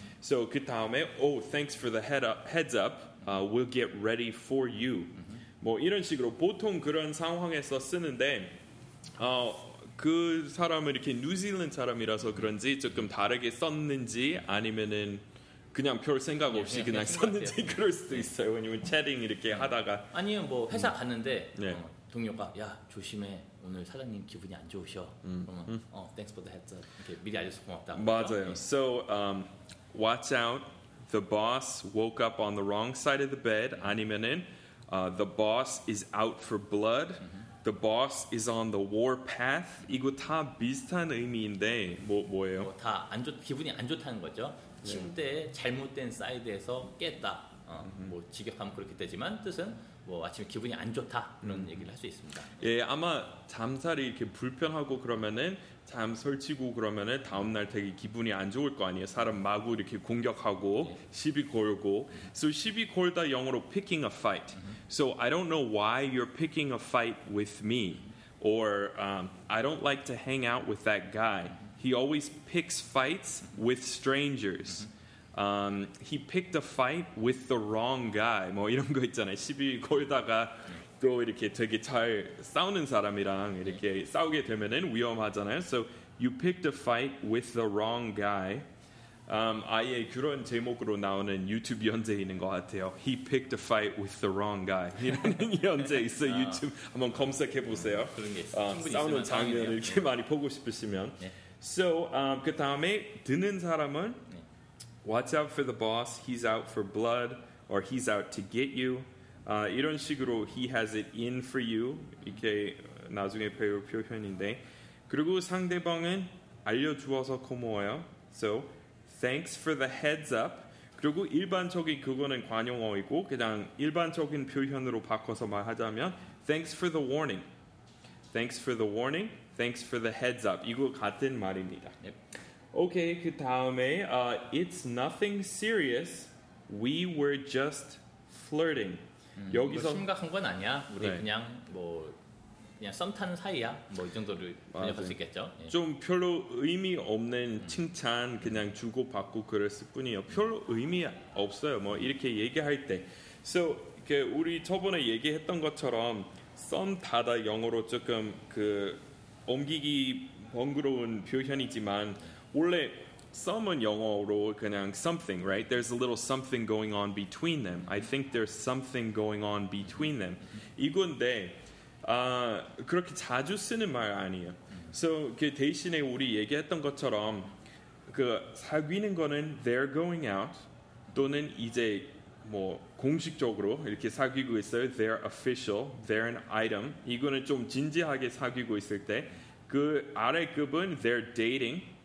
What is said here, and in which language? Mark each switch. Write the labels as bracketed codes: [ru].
[en] So [ko] 그 다음에, [en] oh, thanks for the heads up, we'll get ready for you. [ko] 뭐 이런 식으로 보통 그런 상황에서 쓰는데 그 사람은 이렇게 뉴질랜드 사람이라서 그런지 조금 다르게 썼는지 아니면은 그냥 별 생각 없이 네, 그냥 썼는지 그럴 수도 있어요. 네. 왜냐면 채팅 이렇게 네. 하다가 아니면 뭐 회사 갔는데 네. 동료가 야 조심해 오늘 사장님 기분이 안 좋으셔 그러면 [en] thanks for the heads up [ko] 이렇게 미리 알려줘서 고맙다 맞아요. 네. [en] So watch out the boss woke up on the wrong side of the bed [ko] 아니면은 [en] the boss is out for blood. The boss is on the war path. [ko] 이거 다 비슷한 의미인데 뭐예요? 뭐 다 안 좋, 기분이 안 좋다는 거죠. 침대 네. 잘못된 사이드에서 깼다. 뭐 직역하면 그렇게 되지만 뜻은 뭐 아침에 기분이 안 좋다 그런 얘기를 할 수 있습니다. 예, 아마 잠자리 이렇게 불편하고 그러면은 잠 설치고 그러면은 다음 날 되게 기분이 안 좋을 거 아니에요. 사람 마구 이렇게 공격하고 예. [en] 시비 걸고. So [ko] 시비 걸다 영어로 [en] picking a fight. So I don't know why you're picking a fight with me, or I don't like to hang out with that guy. He always picks fights with strangers. He picked a fight with the wrong guy. [ko] 뭐 이런 거 있잖아요. 시비 걸다가 또 이렇게 되게 잘 싸우는 사람이랑 이렇게 싸우게 되면은 위험하잖아요. [en] So you picked a fight with the wrong guy. [ko] 아예 그런 제목으로 나오는 유튜브 연재 있는 것 같아요. [en] He picked a fight with the wrong guy. [ko] 이런 연재 있어 유튜브 한번 검색해 보세요. 싸우는 장면을 이렇게 많이 보고 싶으시면. [en] So [ko] 그 다음에 듣는 사람은 [en] Watch out for the boss. He's out for blood, or he's out to get you. [ko] 이런 식으로 [en] he has it in for you. [ko] 이렇게 나중에 배울 표현인데. 그리고 상대방은 알려주어서 고마워요. [en] So, thanks for the heads up. [ko] 그리고 일반적인 그거는 관용어이고 그냥 일반적인 표현으로 바꿔서 말하자면 [en] thanks for the warning. Thanks for the warning. Thanks for the heads up. [ko] 이거 같은 말입니다. [en] Yep. Okay, [ko] 그 다음에 [en] it's nothing serious. We were just flirting. [ko] 여기서 심각한 건 아니야. 우리 네. 그냥 뭐 그냥 썸 타는 사이야. 뭐 이 정도를 번역할 수 있겠죠. 예. 좀 별로 의미 없는 칭찬 그냥 주고 받고 그랬을 뿐이에요. 별로 의미 없어요. 뭐 이렇게 얘기할 때. So 이렇게 우리 저번에 얘기했던 것처럼 썸 타다 영어로 조금 그 옮기기 번거로운 표현이지만. 원래 some은 영어로 그냥 something, right? [en] There's a little something going on between them. I think there's something going on between them. [ko] 이건데 그렇게 자주 쓰는 말 아니에요. So 그 대신에 우리 얘기했던 것처럼 그 사귀는 거는 [en] they're going out [ko] 또는 이제 뭐 공식적으로 이렇게 사귀고 있어요. [en] They're official, they're an item. [ko] 이거는 좀 진지하게 사귀고 있을 때 그 아래급은 [en] they're dating.